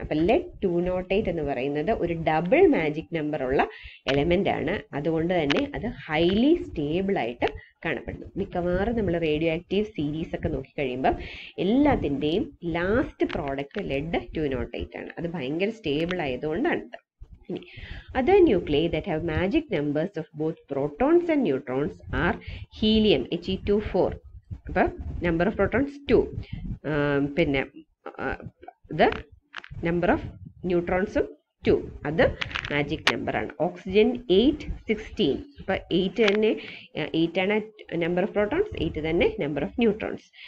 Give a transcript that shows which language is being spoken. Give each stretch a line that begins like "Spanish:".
Malayalam: അപ്പൊ Lead-208 എന്ന് പറയുന്നത് ഒരു ഡബിൾ മാജിക് നമ്പർ ഉള്ള എലമെന്റ് ആണ്. അതുകൊണ്ട് തന്നെ അത് ഹൈലി സ്റ്റേബിൾ ആയിട്ട് കാണപ്പെടുന്നു. മിക്കവാറും നമ്മൾ റേഡിയോ ആക്റ്റീവ് സീരീസ് ഒക്കെ നോക്കിക്കഴിയുമ്പോൾ എല്ലാത്തിന്റെയും ലാസ്റ്റ് പ്രോഡക്റ്റ് Lead-208 ആണ്. അത് ഭയങ്കര സ്റ്റേബിൾ ആയതുകൊണ്ടാണ്.
English: Other nuclei that have magic numbers of both protons and neutrons are helium, He2O4.
Malayalam: അപ്പൊ നമ്പർ ഓഫ് പ്രോട്ടോൺസ് 2, പിന്നെ ദ നമ്പർ ഓഫ് ന്യൂട്രോൺസും 2, അത് മാജിക് നമ്പർ ആണ്. ഓക്സിജൻ 8, 16. അപ്പൊ 8 തന്നെ, 8 ആണ് നമ്പർ ഓഫ് പ്രോട്ടോൺസ്, 8 തന്നെ നമ്പർ ഓഫ് ന്യൂട്രോൺസ്.